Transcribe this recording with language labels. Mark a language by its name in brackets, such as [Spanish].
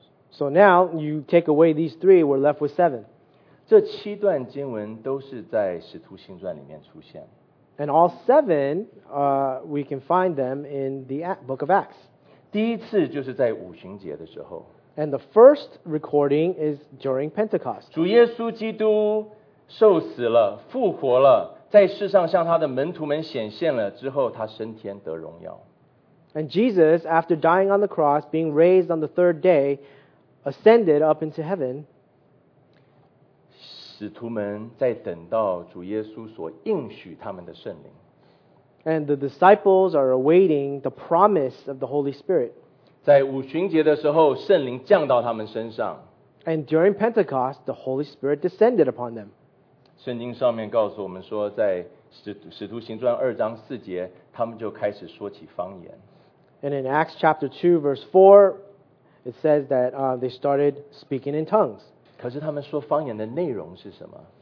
[English] So now you take away these three, we're left with seven. [Chinese] 这七段经文都是在《使徒行传》里面出现。 [English] And all seven, we can find them in the book of Acts. [Chinese] 第一次就是在五旬节的时候。 [English] And the first recording is during Pentecost. [Chinese] 主耶稣基督受死了，复活了，在世上向他的门徒们显现了之后，他升天得荣耀。 [English] And Jesus, after dying on the cross, being raised on the third day, ascended up into heaven. [Chinese] 使徒们在等到主耶稣所应许他们的圣灵。 [English] And the disciples are awaiting the promise of the Holy Spirit. [Chinese] 在五旬节的时候，圣灵降到他们身上。 [English] And during Pentecost, the Holy Spirit descended upon them. [Chinese] 圣经上面告诉我们说，在使徒行传二章四节，他们就开始说起方言。 [English] And in Acts chapter 2 verse 4, it says that they started speaking in tongues. [Chinese] 可是他们说方言的内容是什么？